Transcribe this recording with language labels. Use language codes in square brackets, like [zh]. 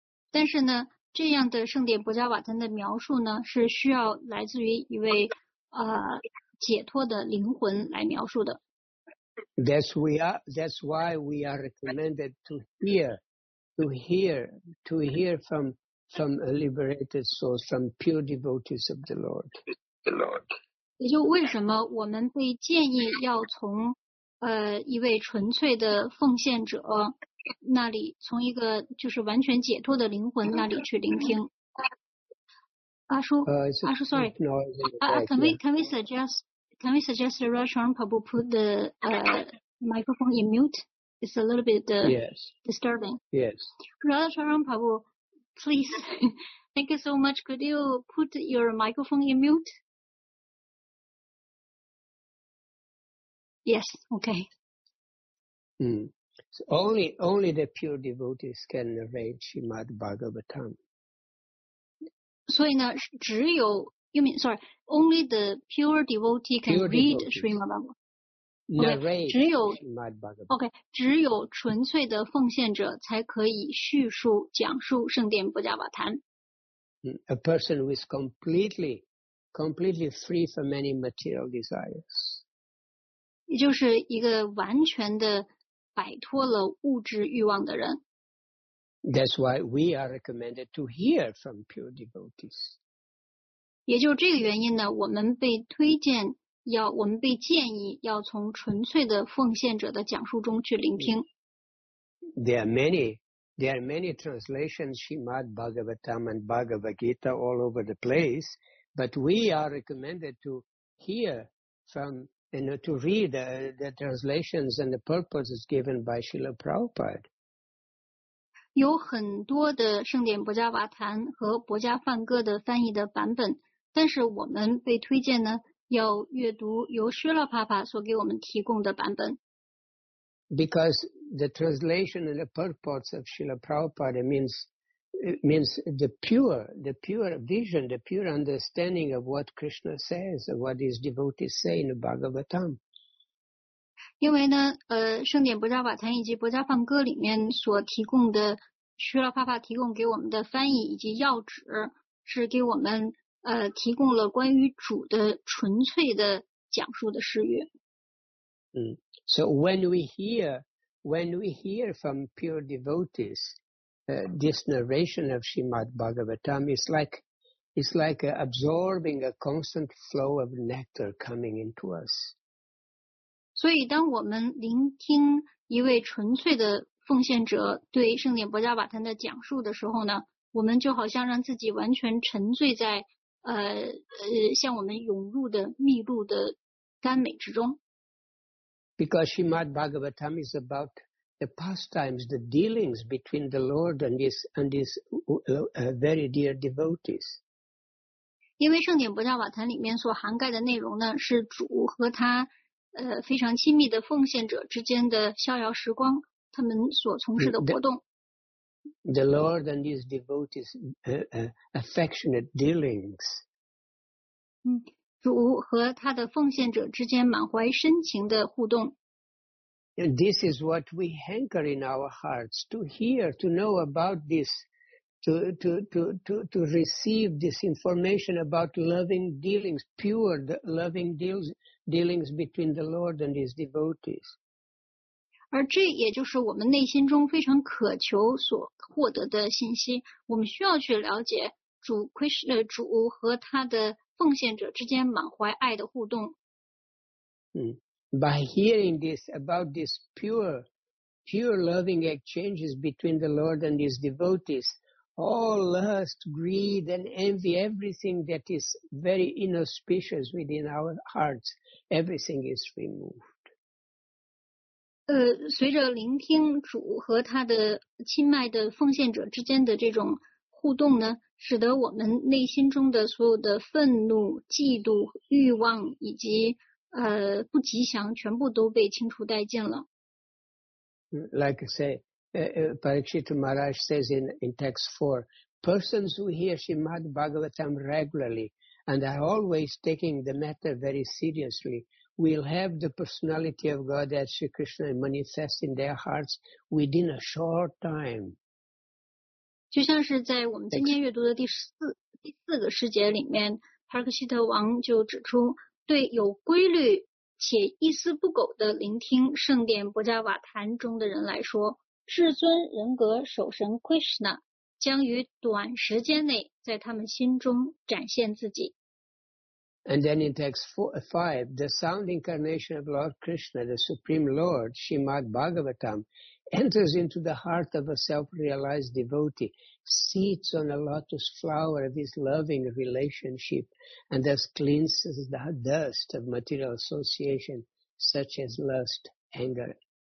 [zh] 但是呢，这样的圣典薄伽瓦坛的描述呢，是需要来自于一位解脱的灵魂来描述的。 [en] That's why we are recommended to hear from a liberated soul, from pure devotees of the Lord. The Lord. [zh] 也就为什么我们被建议要从一位纯粹的奉献者那里，从一个就是完全解脱的灵魂那里去聆听。阿叔 [en] ，sorry， can we suggest Rajaram Prabhu put the microphone in mute? It's a little bit disturbing. Yes. Radha Sharan Prabhu, please, thank you so much. Could you put your microphone in mute? Yes, okay. Mm. So only the pure devotees can narrate Srimad Bhagavatam. So in a [zh] 只有, [en] you mean, sorry, only the pure devotee can pure read devotees. Srimad Bhagavatam. Okay, [zh] 只有纯粹的奉献者才可以叙述讲述圣殿波迦瓦坛。 [en] A person who is completely free from any material desires. [zh] 也就是一个完全的摆脱了物质欲望的人。 [en] That's why we are recommended to hear from pure devotees. [zh] 也就这个原因呢，我们被推荐要我们被建议要从纯粹的奉献者的讲述中去聆听。 [en] There are many translations Srimad Bhagavatam and Bhagavad Gita all over the place, but we are recommended to hear from and to read the translations and the purposes given by Srila Prabhupada. [zh] 有很多的圣典博迦瓦坛和博迦梵歌的翻译的版本，但是我们被推荐呢。要阅读由薛拉帕帕所给我们提供的版本。 [en] Because the translation and the purports of Srila Prabhupada means the pure vision, the pure understanding of what Krishna says, of what his devotees say in the Bhagavatam. [zh] 因为呢，圣典博迦瓦坛以及博迦梵歌里面所提供的薛拉帕帕提供给我们的翻译以及要旨是给我们。提供了关于主的纯粹的讲述的誓约。 [en] So when we hear from pure devotees, this narration of Srimad Bhagavatam is like absorbing a constant flow of nectar coming into us. [zh] 所以当我们聆听一位纯粹的奉献者对圣典博迦瓦坛的讲述的时候呢，我们就好像让自己完全沉醉在向我们涌入的蜜露的甘美之中。 [en] Because Srimad Bhagavatam is about the pastimes, the dealings between the Lord and his very dear devotees. [zh] 因为圣典博迦瓦坛里面所涵盖的内容呢，是主和他非常亲密的奉献者之间的逍遥时光，他们所从事的活动。 [en] The Lord and his devotees' affectionate dealings. [zh] 主和他的奉献者之间满怀深情的互动。 [en] And this is what we hanker in our hearts to hear, to know about this, to receive this information about loving dealings, pure loving dealings between the Lord and his devotees. [zh] 而这也就是我们内心中非常渴求所获得的信息。我们需要去了解主 Krishna 主和他的奉献者之间满怀爱的互动。 [en] By hearing this about this pure loving exchanges between the Lord and his devotees, all lust, greed, and envy, everything that is very inauspicious within our hearts, everything is removed. [zh] 随着聆听主和他的亲爱的奉献者之间的这种互动呢，使得我们内心中的所有的愤怒、嫉妒、欲望以及不吉祥全部都被清除殆尽了。 [en] Like I say, Parikshit Maharaj says in text 4, persons who hear Srimad Bhagavatam regularly and are always taking the matter very seriously,will have the personality of God as Sri Krishna manifest in their hearts within a short time. [zh] 就像是在我们今天阅读的第四个诗节里面，帕克希特王就指出，对有规律且一丝不苟的聆听圣殿博迦瓦坛中的人来说，至尊人格守神 Krishna 将于短时间内在他们心中展现自己。 [en] And then in text 4, 5, the sound incarnation of Lord Krishna, the Supreme Lord, Srimad Bhagavatam, enters into the heart of a self-realized devotee, seats on a lotus flower of his loving relationship, and thus cleanses the dust of material association, such as lust, anger,